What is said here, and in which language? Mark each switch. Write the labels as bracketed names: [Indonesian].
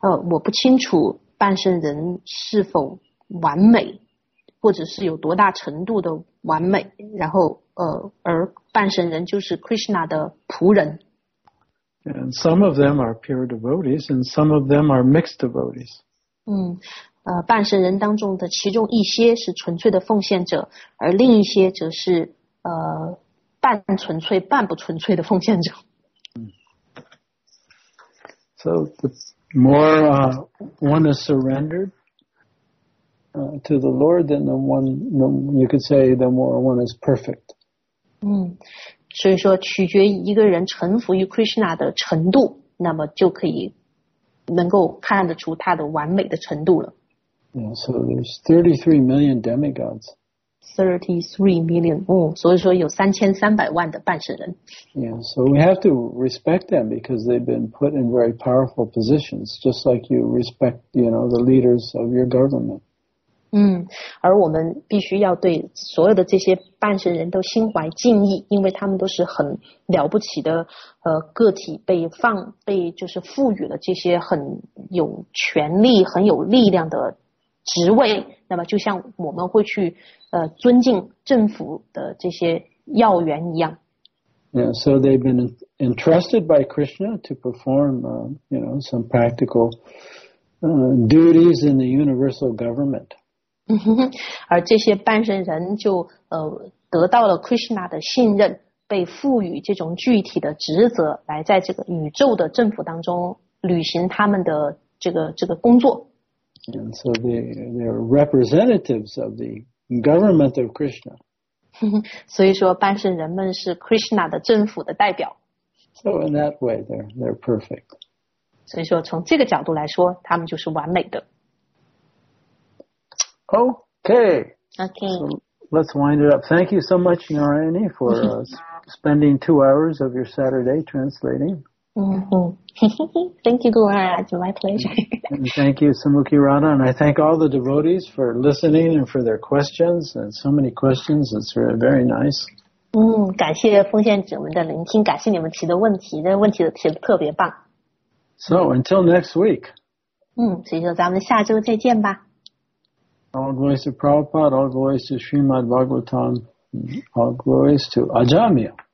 [Chinese] 我不清楚半身人是否完美，或者是有多大程度的完美。然后，而半身人就是 Krishna 的仆人。 [English] And some of them are pure devotees, and some of them are mixed devotees. [Chinese] 半身人当中的其中一些是纯粹的奉献者，而另一些则是半纯粹、半不纯粹的奉献者。 [English] So the more one is surrendered to the Lord, then the more one is perfect. [Chinese] 所以说取决于一个人臣服于 Krishna 的程度，那么就可以能够看得出他的完美的程度了。 [English] Yeah, so there's 33 million demigods. 33 million. [Chinese] 所以说有3300万的半神人。 [English] Yeah, so we have to respect them because they've been put in very powerful positions, just like you respect, you know, the leaders of your government. [Chinese] 而我们必须要对所有的这些半神人都心怀敬意，因为他们都是很了不起的个体，被就是赋予了这些很有权力、很有力量的职位。那么就像我们会去尊敬政府的这些要员一样。 [English] Yeah, so they've been entrusted by Krishna to perform, some practical duties in the universal government. [Chinese] 而这些半神人就得到了 Krishna 的信任，被赋予这种具体的职责，来在这个宇宙的政府当中履行他们的这个工作。 [English] And so they are representatives of the government of Krishna. [Chinese] 所以说半身人们是 Krishna 的政府的代表。 [English] So in that way, they're perfect. [Chinese] 所以说从这个角度来说，他们就是完美的。 [English] Okay. Okay. So let's wind it up. Thank you so much, Narayani, for spending 2 hours of your Saturday translating. Thank you, Guruji. My pleasure. And thank you, Samukhi Radha. And I thank all the devotees for listening and for their questions. And so many questions. It's really very nice. [Chinese] 感谢奉献者们的聆听，感谢你们提的问题，这问题提的特别棒。 [English] So until next week. [Chinese] 所以说咱们下周再见吧。 [English] All glories to Prabhupada, all glories to Srimad Bhagavatam, all glories to Ajamiya.